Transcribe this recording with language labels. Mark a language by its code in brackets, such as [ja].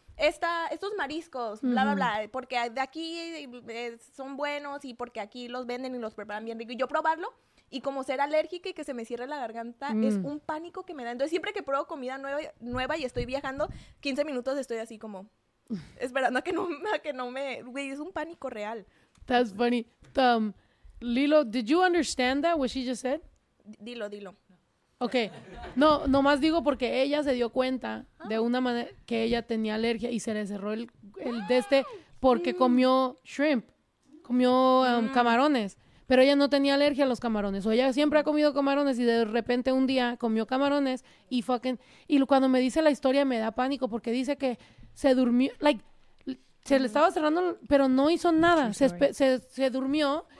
[es] Estos mariscos, bla, bla, bla, porque de aquí son buenos y porque aquí los venden y los preparan bien rico. Y yo probarlo y como ser alérgica y que se me cierre la garganta es un pánico que me da. Entonces, siempre que pruebo comida nueva y estoy viajando, 15 minutos estoy así como esperando a que no me... Güey, es un pánico real. [en] That's funny. Lilo, did you understand that, what she just said? [es] Dilo. Okay, no, nomás digo porque ella se dio cuenta de una manera que ella tenía alergia y se le cerró el de este porque comió shrimp, comió camarones, pero ella no tenía alergia a los camarones, o ella siempre ha comido camarones y de repente un día comió camarones y fucking, y cuando me dice la historia me da pánico porque dice que se durmió, like, se le estaba cerrando, pero no hizo nada, se durmió.